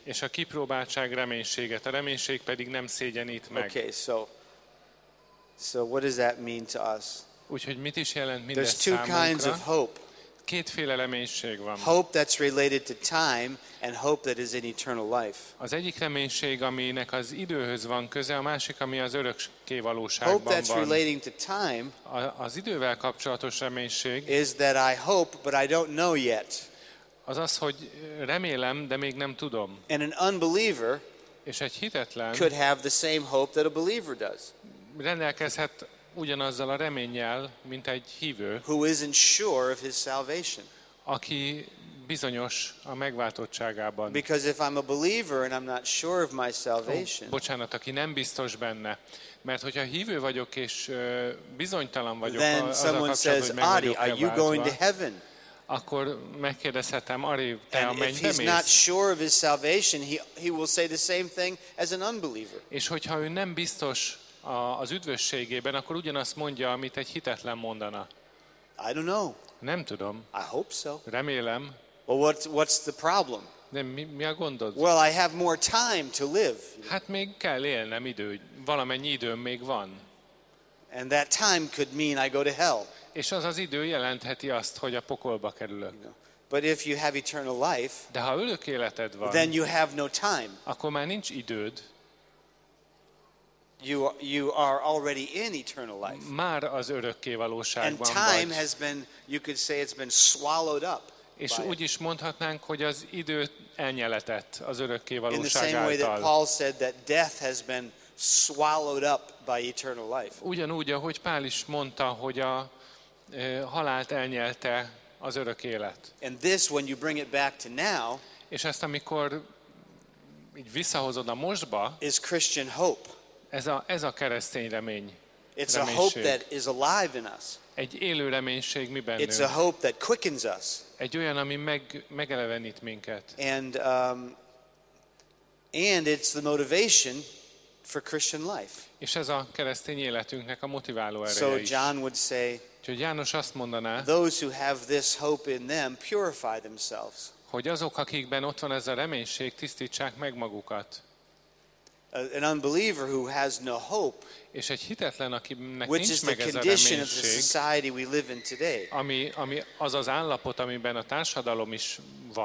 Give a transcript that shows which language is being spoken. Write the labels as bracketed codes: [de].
[hu] És a kipróbáltság reménységet. A reménység pedig nem szégyenít meg. [en] Okay, so what does that mean to us? [hu] Úgyhogy mit is jelent mindez számunkra? [en] There's two kinds of hope. [hu] kétféle reménység van. [en] Hope that's related to time and hope that is in eternal life. [hu] Az egyik reménység, aminek az időhöz van köze, a másik, ami az örökké valóságban van. [en] Hope that's relating to time. [hu] Az idővel kapcsolatos reménység. [en] Is that I hope but I don't know yet. [hu] Az, hogy remélem, de még nem tudom. [en] And an unbeliever could have the same hope that a believer does. [hu] Rendelkezhet ugyanazzal a reménnyel, mint egy hívő. [en] Who isn't sure of his salvation. [hu] Aki bizonyos a megváltottságában. [en] Because if I'm a believer and I'm not sure of my salvation. [hu] Bocsánat, aki nem biztos benne. Mert hogyha hívő vagyok és bizonytalan vagyok, [en] then [hu] az [en] someone says, Ari, are you going to heaven? [hu] Akkor megkérdezhetem, Ari, te a mennybe mész? [en] And if he's not sure of his salvation, he will say the same thing as an unbeliever. [hu] És hogyha ő nem biztos az üdvösségében, akkor ugyanazt mondja, amit egy hitetlen mondana. [en] I don't know. [hu] Nem tudom. [en] I hope so. [hu] Remélem. [en] Well, what's the problem? [hu] Nem, mi a gondod? [en] Well, I have more time to live. [hu] Hát még kell élnem idő, valamennyi időm még van. [en] And that time could mean I go to hell. [hu] És az idő jelentheti azt, hogy a pokolba kerülök. [en] But if you have eternal life, [hu] de ha örök életed van, [en] then you have no time. [hu] Akkor már nincs időd. [en] You are already in eternal life. [hu] Már az örökké valóságban vagy. [en] And time [hu] vagy. [en] Has been, you could say it's been swallowed up. [hu] És úgy is mondhatnánk, hogy az idő elnyeletett az örökké valóság által. [en] In the same way that Paul said that death has been swallowed up by eternal life. [hu] Ugyanúgy, ahogy Pál is mondta, hogy a halált elnyelte az örök élet. [en] And this, when you bring it back to now, [hu] és ezt amikor így visszahozod a mostba, [en] is Christian hope. [hu] Ez a keresztény remény. [en] It's a hope that is alive in us. [hu] Egy élő reménység mi bennünk. [en] It's a hope that quickens us. [hu] Egy olyan, ami megelevenít minket. [en] And it's the motivation for Christian life. [hu] És ez a keresztény életünknek a motiváló ereje. [en] So John would say, [hu] úgyhogy János azt mondaná, [en] those who have this hope in them purify themselves. [hu] Hogy azok, akikben ott van ez a reménység, tisztítsák meg magukat. [en] An unbeliever who has no hope, [hu] és egy hitetlen, akinek [en] which [hu] nincs [en] is [hu] meg [en] the condition [hu] ez a reménység, [en] of the society we live in today. [hu] Ami az az állapot, amiben a társadalom is van.